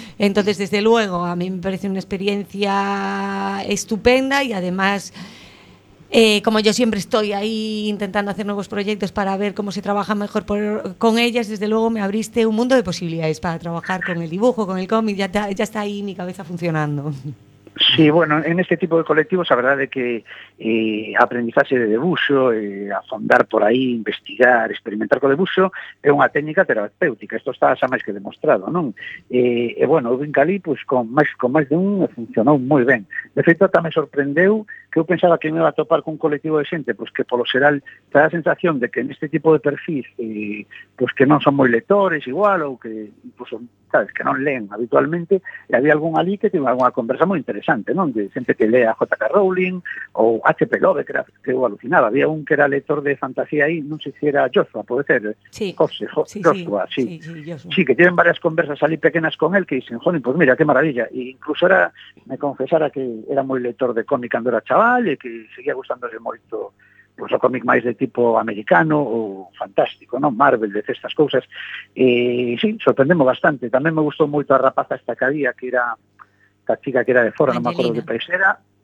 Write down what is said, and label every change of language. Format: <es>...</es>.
<es>Entonces, desde luego, a mí me parece una experiencia estupenda y además... como yo siempre estoy ahí intentando hacer nuevos proyectos para ver cómo se trabaja mejor con ellas, desde luego me abriste un mundo de posibilidades para trabajar con el dibujo, con el cómic, ya está ahí mi cabeza funcionando.</es> <gl>Sí, bueno,</gl> <es>en este tipo de colectivos la verdad es que aprendizaje</es> <gl>de debuxo, afondar por ahí, investigar, experimentar co debuxo, é unha técnica terapéutica, isto está xa máis que demostrado, non? Bueno, o Vincalí, pues, con máis de un, funcionou moi ben. De feito, tamén sorprendeu que eu pensaba que me iba a topar con un colectivo de xente, pues, que polo xeral te da a sensación de que en este tipo de perfil, pues, que non son moi lectores igual, ou que, pues, son, sabes, que non leen habitualmente, e había algún ali que tiene alguna conversa moi interesante, non? De xente que lea J.K. Rowling, ou H.P. Lovecraft, que eu alucinaba. Había un que era lector de fantasía aí, non sei se era Joshua, pode ser. Sí. Joshua, sí.</gl> <es>Sí, que tienen varias conversas ali pequenas con él que dicen, joder, pues mira, qué maravilla.</es> <gl>E incluso era, me confesara que era moi lector de cómic cando era chaval e que seguía gustándose moito, pues, o cómic máis de tipo americano ou fantástico, non? Marvel, de estas cousas. E sí, sorprendemos bastante. Tamén me gustou moito a rapaza esta que había, que era a chica que era de fora, non me acuerdo que país era.</gl>